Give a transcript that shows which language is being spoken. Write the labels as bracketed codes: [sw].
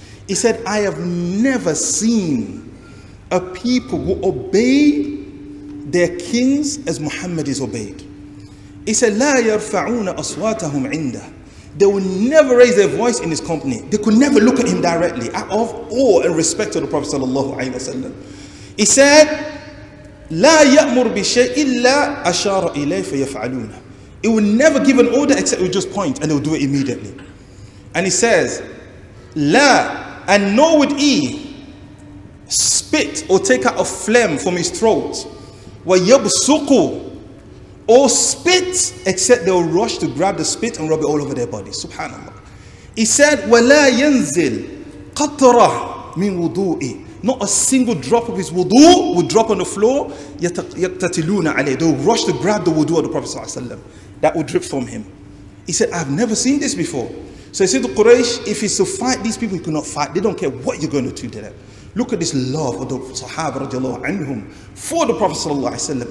[en] He said, I have never seen a people who obey their kings as Muhammad is obeyed. He said, [ar] لَا يَرْفَعُونَ أَصْوَاتَهُمْ عِنْدَهُ. [en] They will never raise their voice in his company. They could never look at him directly, out of awe and respect to the Prophet sallallahu alayhi wa sallam. He said, [ar] لا يأمر بشيء إلا أشار إليه فيفعلونه. [en] It will never give an order except it will just point and it will do it immediately. And he says, لا and nor would he spit or take out a phlegm from his throat. ويبسقو or spit except they will rush to grab the spit and rub it all over their body. Subhanallah. He said, [ar] ولا ينزل قطرة من وضوءه. [en] Not a single drop of his wudu would drop on the floor. [ar] يَتَتِلُونَ عَلَيْهِ. [en] They would rush to grab the wudu of the Prophet sallallahu alayhi wa sallam. That would drip from him. He said, I've never seen this before. So he said to Quraysh, if he's to fight these people, he could not fight. They don't care what you're going to do to them. Look at this love of the Sahaba radiallahu anhum for the Prophet sallallahu alayhi wa sallam.